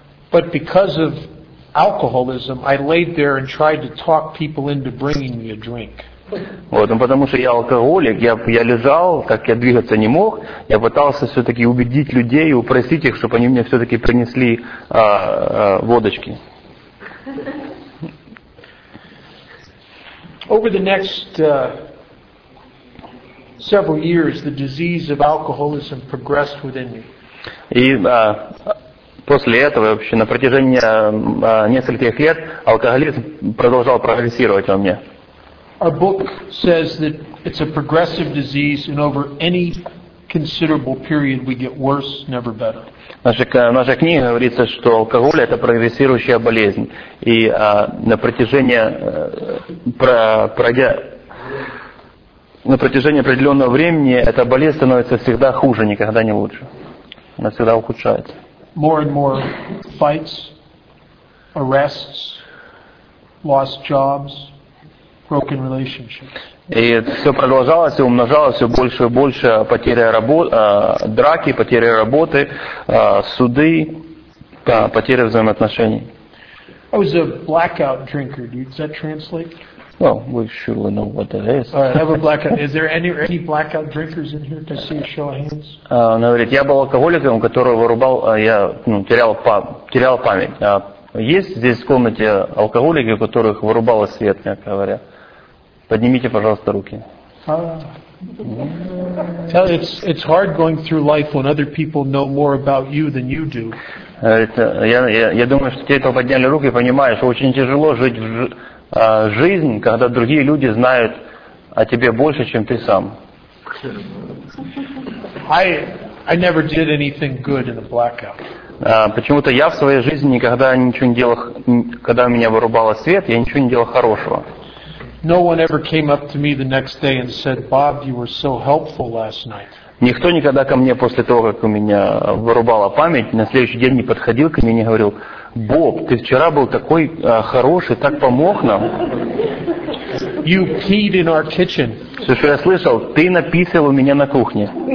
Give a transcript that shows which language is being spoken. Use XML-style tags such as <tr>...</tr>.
<en>But because of alcoholism, I laid there and tried to talk people into bringing me a drink.</en> <ru>Вот, ну потому что я алкоголик, я лежал, так я двигаться не мог, я пытался все-таки убедить людей, упросить их, чтобы они мне все-таки принесли водочки.</ru> <en>Over the next several years, the disease of alcoholism progressed within me.</en> <ru>После этого, вообще, на протяжении нескольких лет алкоголизм продолжал прогрессировать во мне.</ru> <en>Our book says that it's a progressive disease, and over any considerable period, we get worse, never better.</en> <ru>В нашей книге говорится, что алкоголь — это прогрессирующая болезнь, и на протяжении определенного времени эта болезнь становится всегда хуже, никогда не лучше. Она всегда ухудшается.</ru> <en>More and more fights, arrests, lost jobs, broken relationships.</en> <ru>И все продолжалось и умножалось все больше и больше, драки, потеря работы, суды, потеря взаимоотношений.</ru> <en>I was a blackout drinker. Does that translate? Well, we surely know what that is. All right, I have a blackout. Is there any blackout drinkers in here? Can I see a show of hands?</en> <ru>Он говорит, я был алкоголиком, который вырубал, терял память. Есть здесь в комнате алкоголики, у которых вырубало свет, мягко говоря? Поднимите, пожалуйста, руки.</ru> <en>It's hard going through life when other people know more about you than you do.</en> <ru>Я думаю, что те, кто подняли руки, понимают, что очень тяжело жить в жизнь, когда другие люди знают о тебе больше, чем ты сам.</ru> <en>I never did anything good in a blackout.</en> <ru>Почему-то я в своей жизни никогда ничего не делал, когда меня вырубало свет, я ничего не делал хорошего.</ru> <en>No one ever came up to me the next day and said, Bob, you were so helpful last night.</en> <ru>Никто никогда ко мне после того, как у меня вырубала память, на следующий день не подходил ко мне и не говорил, Боб, ты вчера был такой хороший, так помог нам.</ru> <en>You peed in our kitchen.</en> <ru>Слушай, я слышал, ты написал у меня на кухне.</ru>